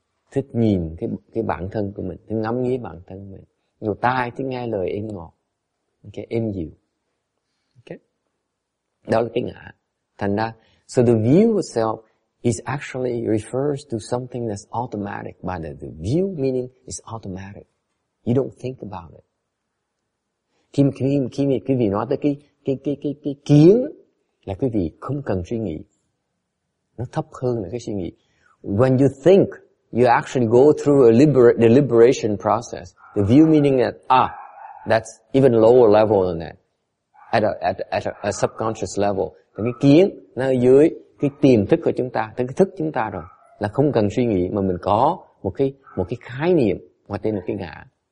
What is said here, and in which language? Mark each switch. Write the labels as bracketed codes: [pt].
[vi] Thích nhìn cái bản thân của mình, thích ngắm nghía bản thân mình. Dù tai thích nghe lời êm ngọt, okay, êm dịu. Okay. Đó là cái ngã. Thành ra, [en] so the view of self is actually refers to something that's automatic. But the view meaning is automatic. You don't think about it. [vi] Khi mà quý vị nói tới cái kiến là quý vị không cần suy nghĩ. Nó thấp hơn là cái suy nghĩ. [en] When you think, you actually go through a deliberation process. The view meaning that, that's even lower level than that. At a subconscious level. [vi] Thì cái kiến nó ở dưới cái tiềm thức của chúng ta, tới cái thức chúng ta rồi. Là không cần suy nghĩ mà mình có một cái khái niệm mà tên là cái ngã.